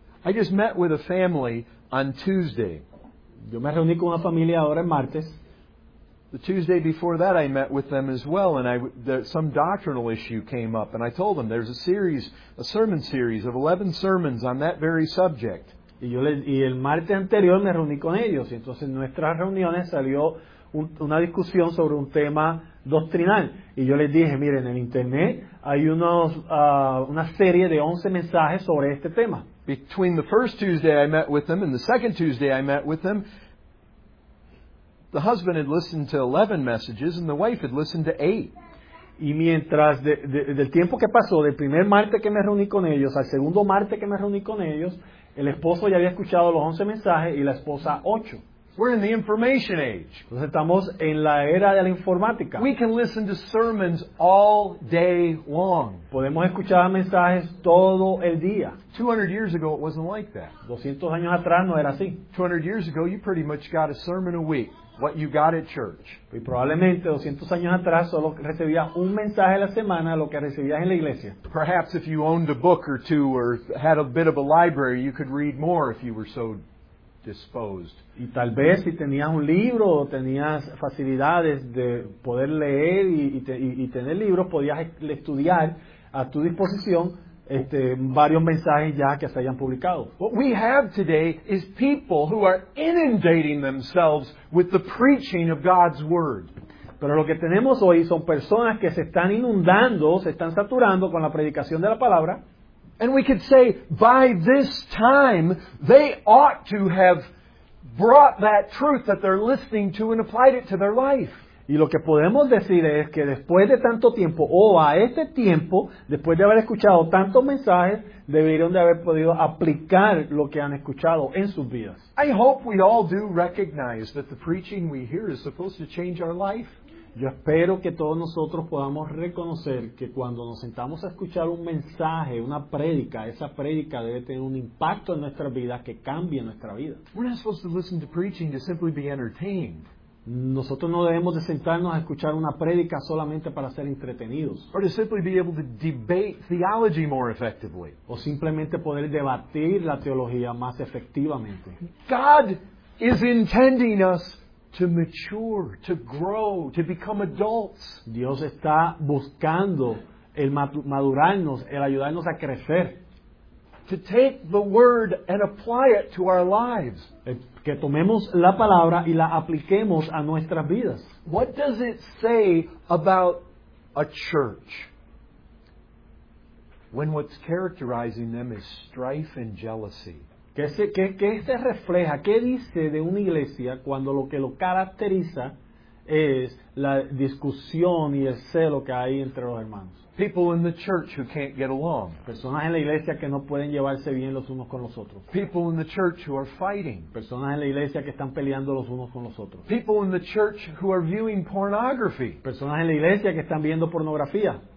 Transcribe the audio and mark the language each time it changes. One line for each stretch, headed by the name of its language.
English: I just met with a family on Tuesday.
Spanish: Yo me reuní con una familia ahora el martes.
English: The Tuesday before that, I met with them as well, and some doctrinal issue came up, and I told them there's a sermon series of 11 sermons on that very subject.
Spanish: Y el martes anterior me reuní con ellos, y entonces en nuestras reuniones salió una discusión sobre un tema doctrinal, y yo les dije, miren, en el internet hay una serie de 11 mensajes sobre este tema.
English: Between the first Tuesday I met with them and the second Tuesday I met with them, the husband had listened to 11 messages and the wife had listened to 8.
Spanish: Y mientras del tiempo que pasó, del primer martes que me reuní con ellos al segundo martes que me reuní con ellos, el esposo ya había escuchado los 11 mensajes y la esposa 8.
English: We're in the information age.
Spanish: Entonces estamos en la era de la informática.
English: We can listen to sermons all day long.
Spanish: Podemos escuchar mensajes todo el día.
English: 200 years ago it wasn't like that.
Spanish: 200 años atrás no era así.
English: 200 years ago you pretty much got a sermon a week. What you got at church.
Spanish: Y probablemente 200 años atrás solo recibía un mensaje a la semana lo que recibías en la iglesia.
English: Perhaps if you owned a book or two or had a bit of a library, you could read more if you were so disposed.
Spanish: Y tal vez si tenías un libro o tenías facilidades de poder leer y tener libros, podías estudiar a tu disposición varios mensajes ya que se hayan publicado.
English: What we have today is people who are inundating themselves with the preaching of God's word.
Spanish: Pero lo que tenemos hoy son personas que se están inundando, se están saturando con la predicación de la palabra.
English: And we could say by this time they ought to have brought that truth that they're listening to and applied it to their life.
Spanish: Y lo que podemos decir es que después de tanto tiempo, a este tiempo, después de haber escuchado tantos mensajes, deberían de haber podido aplicar lo que han escuchado en sus vidas.
English: I hope we all do recognize that the preaching we hear is supposed to change our life.
Spanish: Yo espero que todos nosotros podamos reconocer que cuando nos sentamos a escuchar un mensaje, una prédica, esa prédica debe tener un impacto en nuestra vida que cambie nuestra vida.
English: We're not supposed to listen to preaching to simply be entertained.
Spanish: Nosotros no debemos de sentarnos a escuchar una prédica solamente para ser entretenidos.
English: Or to simply be able to debate theology more effectively.
Spanish: O simplemente poder debatir la teología más efectivamente.
English: God is intending us to mature, to grow, to become adults.
Spanish: Dios está buscando el madurarnos, el ayudarnos a crecer.
English: To take the word and apply it to our lives.
Spanish: Que tomemos la palabra y la apliquemos a nuestras vidas.
English: What does it say about a church when what's characterizing them is strife and jealousy?
Spanish: ¿Qué se refleja? ¿Qué dice de una iglesia cuando lo que lo caracteriza es la discusión y el celo que hay entre los hermanos?
English: People in the church who can't get along.
Spanish: Personas en la iglesia que no pueden llevarse bien los unos con los otros.
English: People in the church who are fighting.
Spanish: Personas en la iglesia que están peleando los unos con los otros.
English: People in the church who are viewing pornography.
Spanish: Personas en la iglesia que están viendo pornografía.